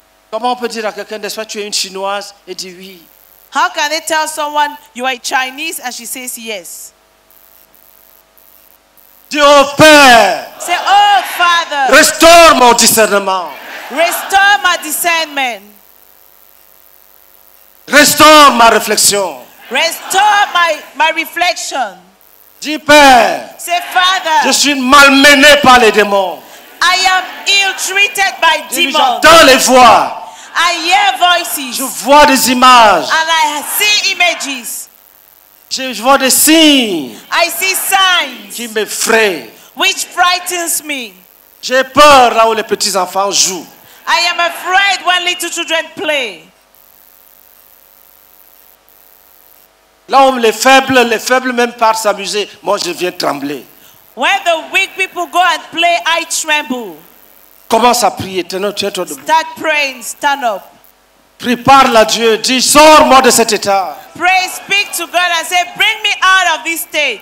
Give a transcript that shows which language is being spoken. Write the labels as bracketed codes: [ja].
[fr] Comment on peut dire à quelqu'un, n'est-ce pas, tu es une Chinoise, et dit oui. [en] How can they tell someone you are Chinese and she says yes? [fr] Dis au Père. [en] Say, oh Father. [fr] Restore mon discernement. [en] Restore my discernment. [fr] Restore ma réflexion. [en] Restore my reflection. [fr] Dis Père. [en] Say Father. [fr] Je suis malmené par les démons. [en] I am ill-treated by demons. [fr] J'entends les voix. [en] I hear voices. [fr] Je vois des images. [en] And I see images. [fr] Je vois des signes. [en] I see signs. [fr] Qui m'effraient. [en] Which frightens me. [fr] J'ai peur là où les petits enfants jouent. [en] I am afraid when little children play. [fr] Là où les faibles même partent s'amuser, moi je viens trembler. [en] Where the weak people go and play, I tremble. [fr] Commence à prier, tiens-toi debout. [en] Start praying, stand up. [fr] Prie, parle à Dieu, dis, sors-moi de cet état. [en] Pray, speak to God and say, bring me out of this state.